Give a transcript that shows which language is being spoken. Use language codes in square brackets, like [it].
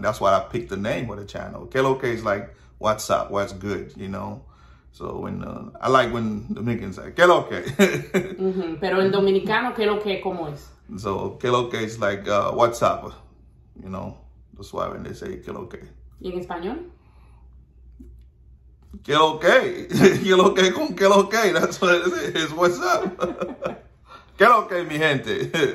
[en] That's why I picked the name for the channel. Que lo que is like, what's up, what's good, you know? So when, I like when Dominicans say, que lo que. Mm-hmm. [es] Pero en Dominicano, que lo que, como es? [en] So, que lo que is like, what's up, you know? That's why when they say, que lo que. [es] ¿Y en español? Que lo que, que lo que con que lo que, [en] that's what it is, what's up. [es] Que lo que, mi gente.